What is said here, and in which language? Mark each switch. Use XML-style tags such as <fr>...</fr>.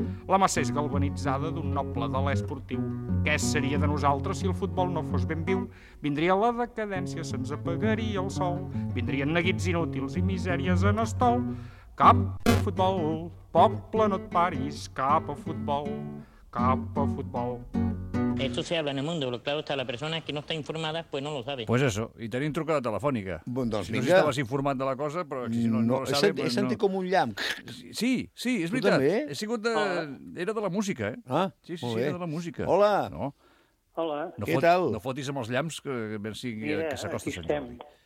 <ca>La massa és galvanitzada d'un noble de l'esportiu. Què seria de nosaltres si el futbol no fos ben viu? Vindria la decadència, se'ns apagaria el sol. Vindrien neguits inútils i misèries en estol. Cap a futbol, poble, no et paris. Cap a futbol, cap a futbol.</ca> <es>Esto se habla en el mundo, pero claro, está la persona que no está informada, pues no lo sabe. Pues eso, y</es> <ca>tenim trucada telefònica. Bueno, doncs, si no sé si estaves informat de la cosa, però si no</ca> <es>lo sabe...</es> <ca>He sentit com un llamp. Sí, és veritat. Tu també? He sigut de... Era de la música, eh? Ah, sí, molt bé. Era de la música. Hola. No. Hola. No Què tal? No fotis amb els llamps, que s'acosta a Sant Jordi.</ca>